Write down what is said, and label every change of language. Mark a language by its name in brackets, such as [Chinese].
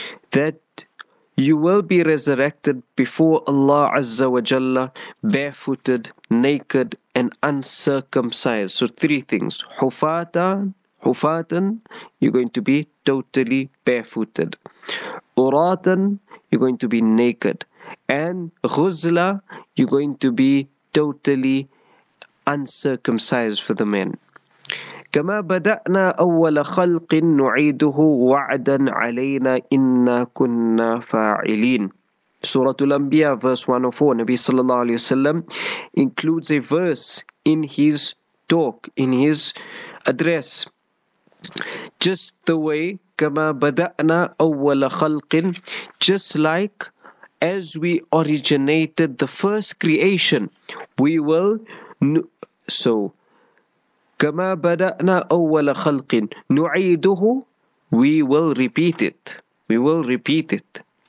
[English] That you will be resurrected before Allah Azza wa Jalla, barefooted, naked, and uncircumcised. So three things. Hufatan, you're going to be totally barefooted. Uratan, you're going to be naked. And Ghuzla, you're going to be totally uncircumcised for the men. [Arabic] كما بدأنا أول خلق نعيده وعدا علينا إنا كنا فاعلين. [English] Surah Al-Anbiya, verse 104. Nabi sallallahu alayhi wa sallam includes a verse in his talk, in his address. Just the way [Arabic] كما بدأنا أول خلق, [English] just like as we originated the first creation, we will so [Arabic] كما بدأنا أول خلق نعيده, [English] we will repeat it, we will repeat it.